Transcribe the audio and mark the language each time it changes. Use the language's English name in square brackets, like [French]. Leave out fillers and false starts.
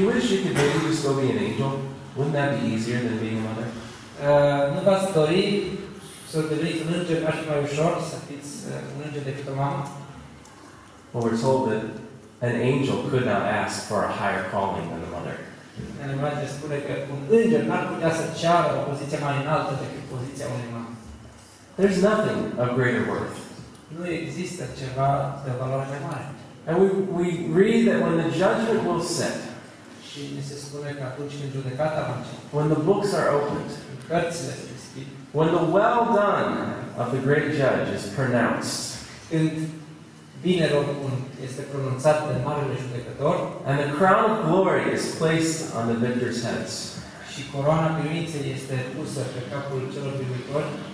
[English] you wish you could maybe just go be an angel? Wouldn't that be easier than being a mother? [Romanian] Nu v-ați dori să deveniți un înger, așa mai ușor să fiți un înger decât o mamă. [English] Well, we're told that an angel could not ask for a higher calling than the mother. [Romanian] And Imagine spune că un înger n-ar putea să ceară o poziție mai înaltă decât poziția unei mame. [English] There's nothing of greater worth. [Romanian] Nu există ceva de valoare mai mare. [English] And we read that when the judgment will set, [Romanian] și ne se spune că atunci când judecata va începe, [English] when the books are opened, [Romanian] cărțile se deschid, [English] when the well done of the great judge is pronounced, [Romanian] când bine robul este pronunțat de marele judecător, [English] and the crown of glory is placed on the victor's heads, [Romanian] și coroana biruinței este pusă pe capul celor biruitori,